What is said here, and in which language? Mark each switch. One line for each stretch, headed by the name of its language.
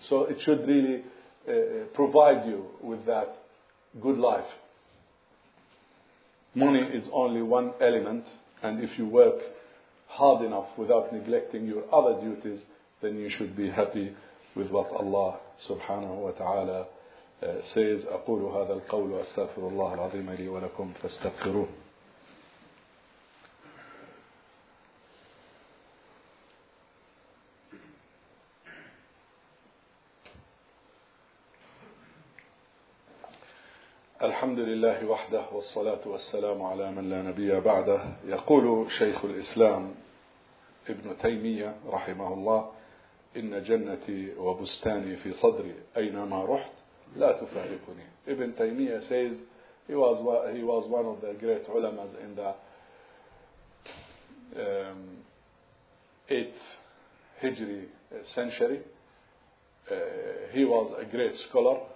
English: So it should really provide you with that good life. Money is only one element, and if you work hard enough without neglecting your other duties, then you should be happy with what Allah subhanahu wa ta'ala says.
Arabic: أقول هذا القول وأستغفر الله العظيم لي ولكم فاستغفروه. الحمد لله وحده والصلاة والسلام على من لا نبي بعده. يقول شيخ الإسلام ابن تيمية رحمه الله: إن جنتي وبستاني في صدري أينما رحت لا تفارقني.
English: ابن تيمية says he was one of the great ulamas in the Hijri century. He was a great scholar.